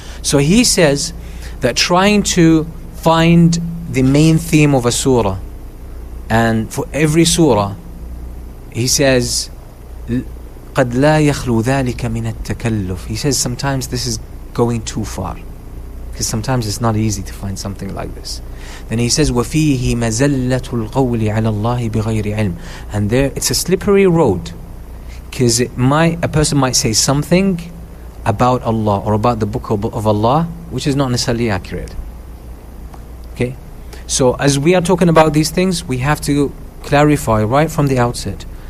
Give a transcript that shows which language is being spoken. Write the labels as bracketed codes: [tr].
[en] So he says that trying to find the main theme of a surah, and for every surah, he says, [ar] قَدْ لَا يَخْلُو ذَلِكَ مِنَ التَّكَلُّفِ. [en] He says sometimes this is going too far, because sometimes it's not easy to find something like this. Then he says, [ar] وَفِيهِ مَزَلَّةُ الْقَوْلِ عَلَى اللَّهِ بِغَيْرِ عِلْمٍ. [en] And there, it's a slippery road, because a person might say something about Allah or about the book of Allah, which is not necessarily accurate. Okay? So as we are talking about these things, we have to clarify right from the outset.